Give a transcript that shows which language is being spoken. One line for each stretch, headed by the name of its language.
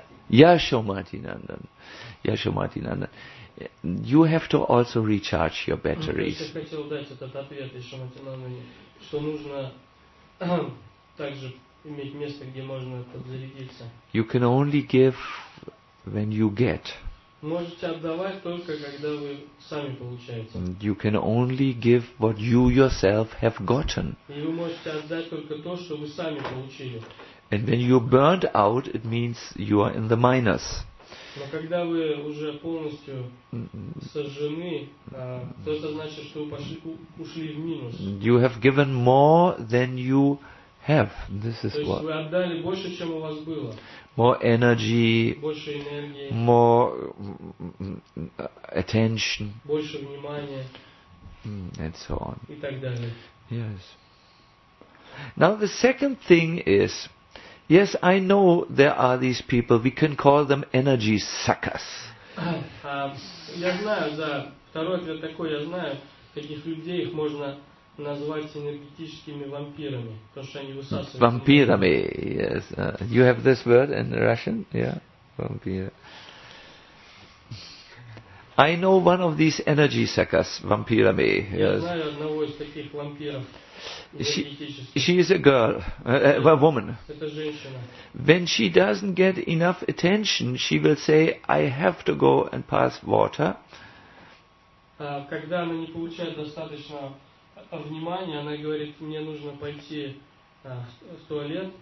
English: Yashomati Nandan. Yashomati Nandan. You have to also recharge your batteries.
Russian: Я хотел дать этот ответ Yashomati Nandan, что нужно также иметь место, где можно подзарядиться.
English: You can only give when you get.
Russian: Можете отдавать только когда вы сами получаете.
English: You can only give what you yourself have gotten.
Russian: И вы можете отдать только то, что вы сами получили.
English: And when you burned out, it means you are in the minus.
Russian: Но когда вы уже полностью сожжены, то это значит, что вы пошли, ушли в минус.
English: You have given more than you have. This is what.
Russian: То есть вы отдали больше, чем у вас было.
English: More energy.
Russian: Больше энергии.
English: More attention.
Russian: Больше внимания.
English: And so on.
Russian: И так далее.
English: Yes. Now the second thing is, yes, I know there are these people. We can call them energy suckers.
Russian: Я знаю, да. Второй ответ такой. Я знаю, таких людей их можно назвать энергетическими вампирами, потому что они высасывают.
English: Вампирами, yes. You have this word in Russian, yeah? Vampir. I know one of these energy suckers, вампирами.
Russian: Я знаю одного из таких вампиров.
English: She is a girl, a woman. When she doesn't get enough attention, she will say, I have to go and pass water.
Russian: Когда она не получает достаточно внимания, она говорит, мне нужно пойти в туалет.